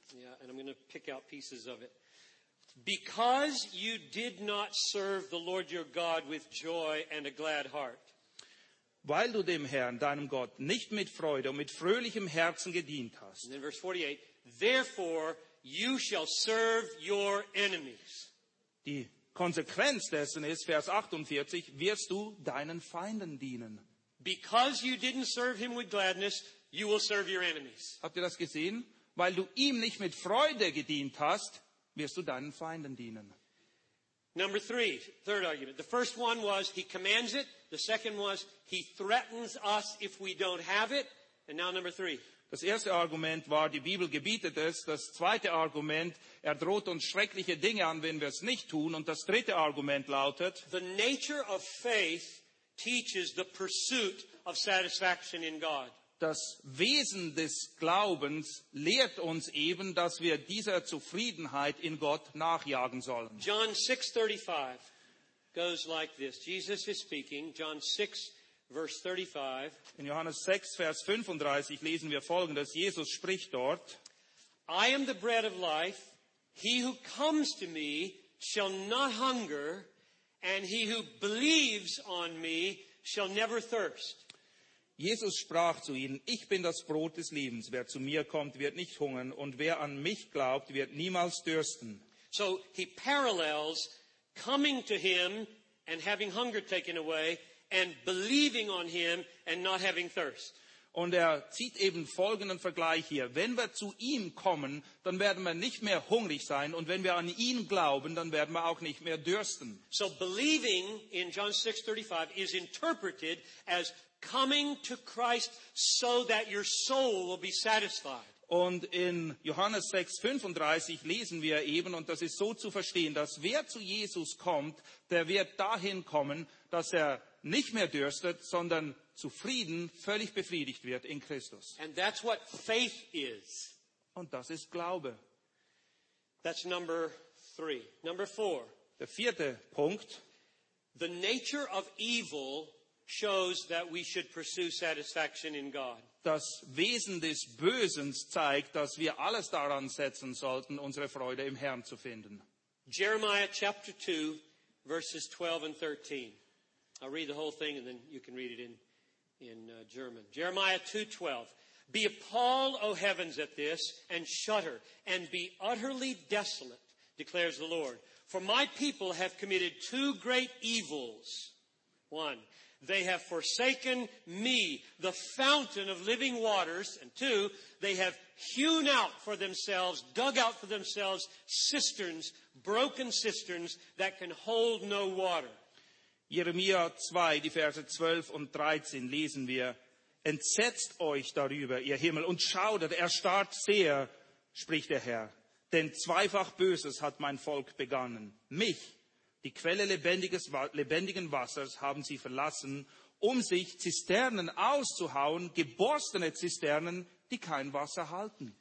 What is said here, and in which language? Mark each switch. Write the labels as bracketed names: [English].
[English] Yeah, and I'm going to pick out pieces of it. Because you did not serve the Lord your God with joy and a glad heart. [German] Weil du dem Herrn, deinem Gott, nicht mit Freude und mit fröhlichem Herzen gedient hast. [English] And then verse 48. Therefore you shall serve your enemies. [German] Die Konsequenz dessen ist, Vers 48, wirst du deinen Feinden dienen. [English] Because you didn't serve him with gladness, you will serve your enemies. [German] Habt ihr das gesehen? Weil du ihm nicht mit Freude gedient hast, wirst du deinen Feinden dienen. [English] Number three, third argument. The first one was he commands it. The second was he threatens us if we don't have it. And now number three. [German] Das erste Argument war, die Bibel gebietet es. Das zweite Argument, er droht uns schreckliche Dinge an, wenn wir es nicht tun. Und das dritte Argument lautet, [English] the nature of faith teaches the pursuit of satisfaction in God. [German] Das Wesen des Glaubens lehrt uns eben, dass wir dieser Zufriedenheit in Gott nachjagen sollen. [English] John 6:35 goes like this. Jesus is speaking, John 6 Verse 35. [German] In Johannes 6, Vers 35 lesen wir folgendes. Jesus spricht dort. [English] I am the bread of life. He who comes to me shall not hunger, and he who believes on me shall never thirst. [German] Jesus sprach zu ihnen, ich bin das Brot des Lebens. Wer zu mir kommt, wird nicht hungern, und wer an mich glaubt, wird niemals dürsten. [English] So he parallels coming to him and having hunger taken away, and believing on him and not having thirst. [German] Und er zieht eben folgenden Vergleich hier. Wenn wir zu ihm kommen, dann werden wir nicht mehr hungrig sein. Und wenn wir an ihn glauben, dann werden wir auch nicht mehr dürsten. [English] So believing in John 6:35 is interpreted as coming to Christ so that your soul will be satisfied. [German] Und in Johannes 6:35 lesen wir eben, und das ist so zu verstehen, dass wer zu Jesus kommt, der wird dahin kommen, dass er nicht mehr dürstet, sondern zufrieden, völlig befriedigt wird in Christus. [English] And that's what faith is. [German] Und das ist Glaube. [English] That's number three. Number four. [German] Der vierte Punkt. [English] The nature of evil shows that we should pursue satisfaction in God. [German] Das Wesen des Bösen zeigt, dass wir alles daran setzen sollten, unsere Freude im Herrn zu finden. [English] Jeremiah chapter 2, verses 12 and 13. I'll read the whole thing and then you can read it in German. Jeremiah 2:12. Be appalled, O heavens, at this, and shudder, and be utterly desolate, declares the Lord. For my people have committed two great evils. One, they have forsaken me, the fountain of living waters. And two, they have hewn out for themselves, dug out for themselves cisterns, broken cisterns that can hold no water. [German] Jeremia 2, die Verse 12 und 13 lesen wir. Entsetzt euch darüber, ihr Himmel, und schaudert, erstarrt sehr, spricht der Herr. Denn zweifach Böses hat mein Volk begangen. Mich, die Quelle lebendigen Wassers, haben sie verlassen, um sich Zisternen auszuhauen, geborstene Zisternen, die kein Wasser halten.